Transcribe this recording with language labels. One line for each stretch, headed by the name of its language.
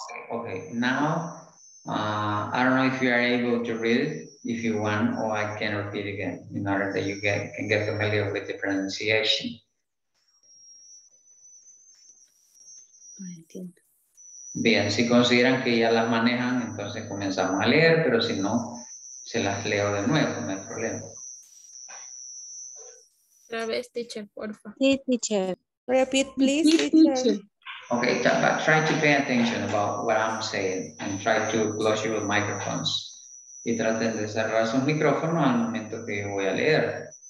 English: Okay, now, I don't know if you are able to read it, if you want, or I can repeat again in order that you can get familiar with the pronunciation.
Spanish: entiendo. Bien, si consideran que ya las manejan, entonces comenzamos a leer, pero si no, se las leo de nuevo, no hay problema. Otra vez, teacher, por favor. Sí, teacher.
English: Repeat, please, teacher. Okay, but try to pay attention about what I'm saying and try to close your microphones.
Spanish: Y traten de cerrar sus micrófonos al momento que voy a leer.